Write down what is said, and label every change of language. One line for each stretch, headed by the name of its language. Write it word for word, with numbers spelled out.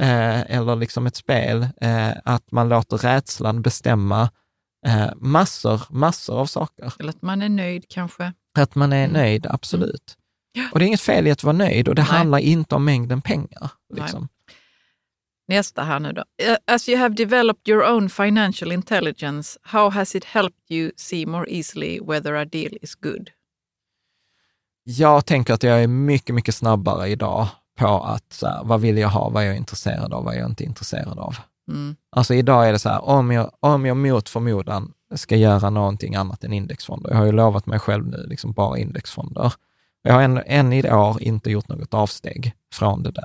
Swedish: eh, eller liksom ett spel, eh, att man låter rädslan bestämma eh, massor, massor av saker. Eller att man är nöjd kanske. Att man är nöjd, absolut. Mm. Och det är inget fel i att vara nöjd, och det Nej. handlar inte om mängden pengar. Liksom. Nästa här nu då.
English: As you have developed your own financial intelligence, how has it helped you see more easily whether a deal is good?
Swedish: Jag tänker att jag är mycket, mycket snabbare idag på att så här, vad vill jag ha, vad jag är intresserad av, vad jag inte är intresserad av. Mm. Alltså idag är det så här, om jag, om jag mot förmodan ska göra någonting annat än indexfonder. Jag har ju lovat mig själv nu, liksom bara indexfonder. Jag har än, än i år inte gjort något avsteg från det där.